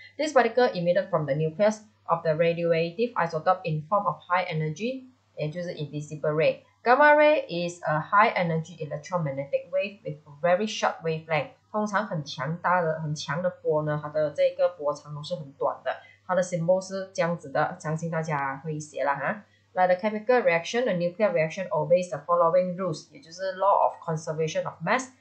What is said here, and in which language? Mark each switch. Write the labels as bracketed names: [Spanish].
[English] This particle emitted from the nucleus of the radioactive isotope in form of high energy, [Chinese] 也就是 [English] invisible ray. Gamma ray is a high energy electromagnetic wave with very short wavelength. [Chinese] 通常很强大的、很强的波呢，它的这个波长都是很短的。它的 symbol 是这样子的，相信大家会写了哈。 [English] Like the chemical reaction, the nuclear reaction obeys the following rules, [Chinese] 也就是 [English] law of conservation of mass.